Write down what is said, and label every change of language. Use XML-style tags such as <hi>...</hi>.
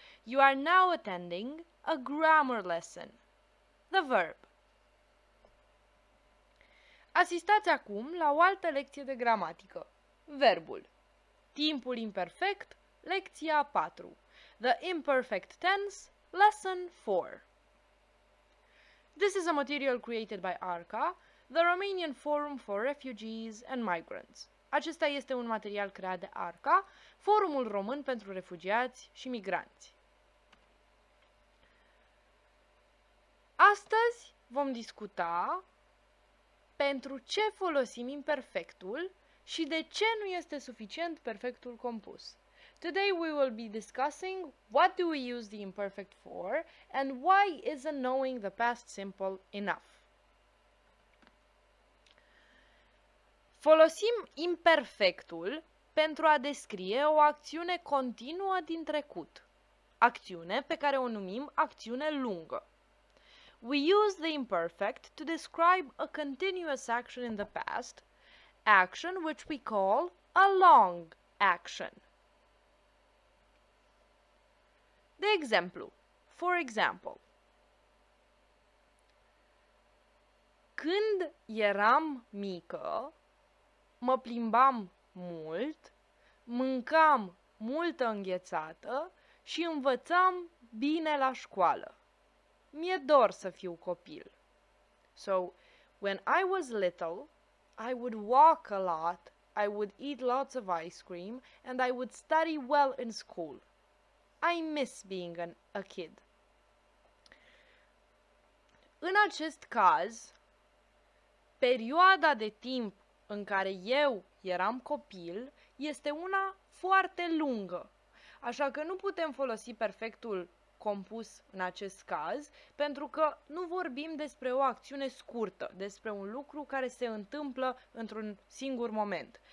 <en>You are now attending a grammar lesson. The verb.</en> <ro>Asistați acum la o altă lecție de gramatică. Verbul. Timpul imperfect, lecția 4.</ro> <en>The imperfect tense. Lesson 4. This is a material created by ARCA, the Romanian Forum for Refugees and Migrants.</en> <ro>Acesta este un material creat de ARCA, Forumul Român pentru Refugiați și Migranți. Astăzi vom discuta pentru ce folosim imperfectul și de ce nu este suficient perfectul compus.</ro> <en>Today we will be discussing what do we use the imperfect for and why isn't knowing the past simple enough.</en> <ro>Folosim imperfectul pentru a descrie o acțiune continuă din trecut, acțiune pe care o numim acțiune lungă.</ro> <en>We use the imperfect to describe a continuous action in the past, action which we call a long action.</en> <ro>De exemplu,</ro> <en>for example,</en> <ro>când eram mică, mă plimbam mult, mâncam multă înghețată și învățam bine la școală. Mi-e dor să fiu copil.</ro> <en>So, when I was little, I would walk a lot, I would eat lots of ice cream, and I would study well in school. I miss being a kid.</en> <ro>În acest caz, perioada de timp în care eu eram copil este una foarte lungă. Așa că nu putem folosi perfectul compus în acest caz, pentru că nu vorbim despre o acțiune scurtă, despre un lucru care se întâmplă într-un singur moment.</ro>